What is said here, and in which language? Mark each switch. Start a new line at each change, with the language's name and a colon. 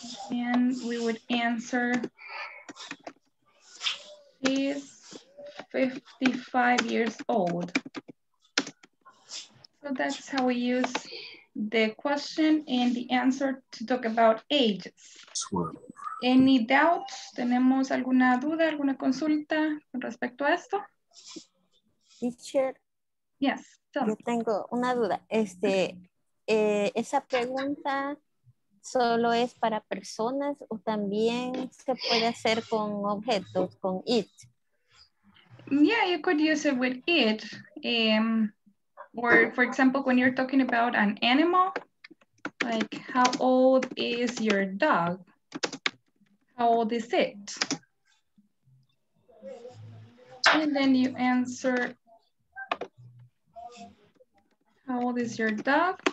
English: And we would answer, she's 55 years old. So that's how we use the question and the answer to talk about ages. Any doubts?
Spanish: ¿Tenemos alguna duda, alguna consulta con respecto a esto?
English: Teacher. Yes.
Spanish: Yo tengo una duda. Esa pregunta solo es para personas o también se puede hacer con objetos, con it.
English: Yeah, you could use it with it. Or for example, when you're talking about an animal, like how old is your dog? How old is it? And then you answer, how old is your dog?